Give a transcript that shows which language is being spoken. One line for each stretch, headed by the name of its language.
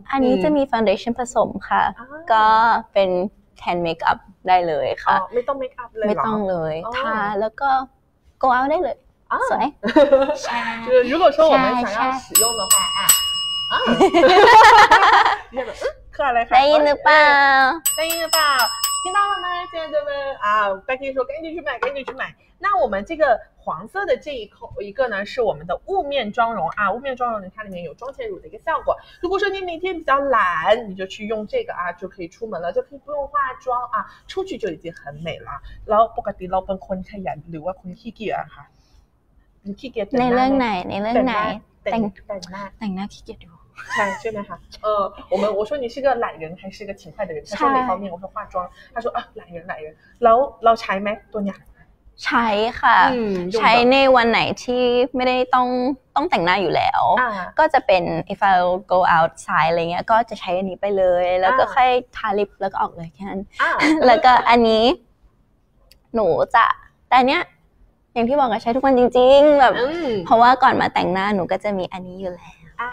Thai: อันนี้จะมีฟาวเดชั่นผสมค่ะก็เป็น
English: can make up
Thai: ได้เลยค่ะ ไม่ต้อง make up เลย ไม่ต้องเลยทาแล้วก็
English: go out
Thai: ได้เลยสวย ใช่
Chinese: 如果说我们想要使用的话啊啊你看来可爱可爱可爱听到了吗亲爱的们啊 Becky 说赶紧去买赶紧去买那我们这个黄色的这一口一个呢是我们的雾面妆容啊雾面妆容呢它里面有妆前乳的一个效果如果说你每天比较懒你就去用这个啊就可以出门了就可以不用化妆啊出去就已经很美了
Thai: แล้วปกติเราเป็นคนขยันหรือว่าคนขี้เกียจค่ะ ในเรื่องไหนในเรื่องไหน แต่งหน้า ขี้เกียจดู ใช่ใช่ไหมคะผม
Chinese: 说你是个懒人还是个勤快的人他说哪方面我说化妆他说懒人
Thai: เราใช้ไหมตัวเนี้ย ใช่ค่ะใช้ในวันไหนที่ไม่ได้ต้องแต่งหน้าอยู่แล้วก็จะเป็น
English: if I go outside
Thai: อะไรเงี้ยก็จะใช้อันนี้ไปเลยแล้วก็ค่อยทาลิปแล้วก็ออกเลยแค่นั้นแล้วก็อันนี้หนูจะแต่เนี้ยอย่างที่บอกอะใช้ทุกวันจริงๆแบบเพราะว่าก่อนมาแต่งหน้าหนูก็จะมีอันนี้อยู่แล้ว